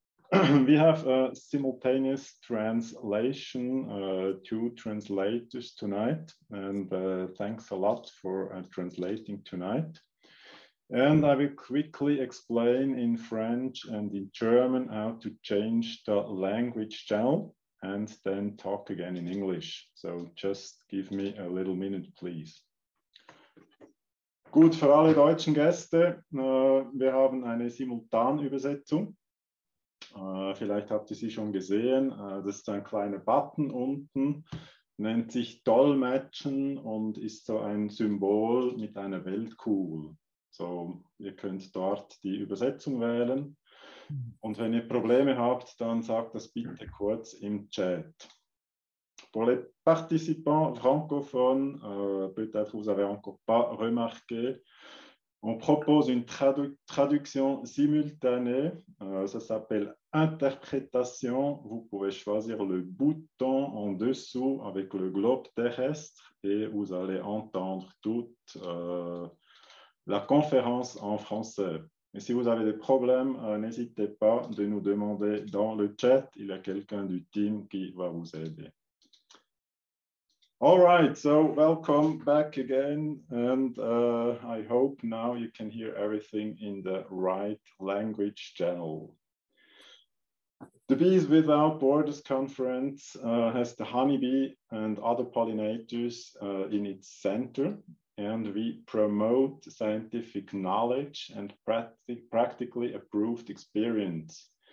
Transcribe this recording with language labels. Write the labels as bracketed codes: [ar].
[en] We have a simultaneous translation, two translators tonight, and thanks a lot for translating tonight. And I will quickly explain in French and in German how to change the language channel and then talk again in English. So just give me a little minute, please. [de] Gut, für alle deutschen Gäste, wir haben eine Simultanübersetzung. Vielleicht habt ihr sie schon gesehen. Das ist ein kleiner Button unten, nennt sich Dolmetschen und ist so ein Symbol mit einer Weltkugel. So, ihr könnt dort die Übersetzung wählen. Und wenn ihr Probleme habt, dann sagt das bitte kurz im Chat. [fr] Pour les participants francophones, peut-être vous avez encore pas remarqué. On propose une traduction simultanée, ça s'appelle interprétation. Vous pouvez choisir le bouton en dessous avec le globe terrestre et vous allez entendre toute la conférence en français. Et si vous avez des problèmes, n'hésitez pas de nous demander dans le chat, il y a quelqu'un du team qui va vous aider. [en] All right, so welcome back again, and I hope now you can hear everything in the right language channel. The Bees Without Borders conference has the honeybee and other pollinators in its center, and we promote scientific knowledge and practically approved experience.